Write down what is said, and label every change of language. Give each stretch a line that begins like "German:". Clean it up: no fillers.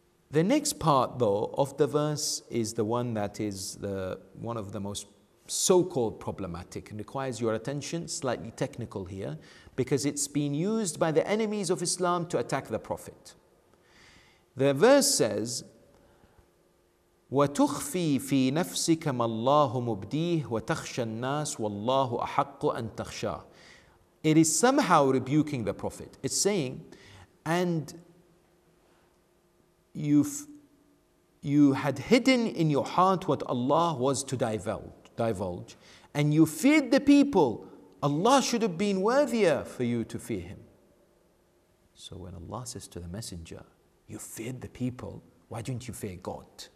English: The next part, though, of the verse is the one that is one of the most so-called problematic and requires your attention, slightly technical here, because it's been used by the enemies of Islam to attack the Prophet. The verse says,
Arabic: وَتُخْفِي فِي نَفْسِكَ مَا اللَّهُ مُبْدِيهُ وَتَخْشَى النَّاسُ وَاللَّهُ أَحَقُّ أَن تَخْشَاهُ.
English: It is somehow rebuking the Prophet. It's saying, and you had hidden in your heart what Allah was to divulge, and you feared the people. Allah should have been worthier for you to fear him. So when Allah says to the messenger, you feared the people, why didn't you fear God?